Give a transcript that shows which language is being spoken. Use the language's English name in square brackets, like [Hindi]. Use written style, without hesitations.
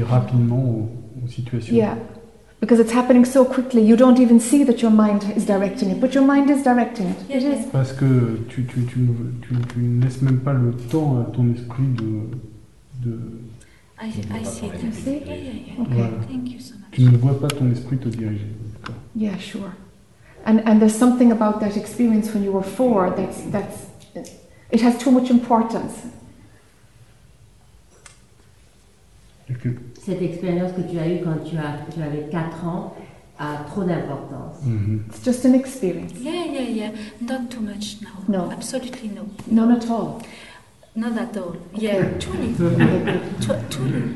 [English] yeah, yeah, yeah, yeah, because it's happening so quickly, you don't even see that your mind is directing it. But your mind is directing it. Yes, yes. [French] Parce que tu ne laisses même pas le temps à ton esprit de [English] I see. You see? Yeah, yeah, yeah. Okay. Thank you so much. [French] Tu ne vois pas ton esprit te diriger. D'accord. [English] Yeah, sure. And there's something about that experience when you were four that's it has too much importance. Okay. [French] Cette expérience que tu as eue quand tu avais 4 ans a trop d'importance. Mm-hmm. [English] It's just an experience. Yeah, yeah, yeah. Not too much now. No. Absolutely no. None at all. Not at all. Okay. Yeah, truly. Truly.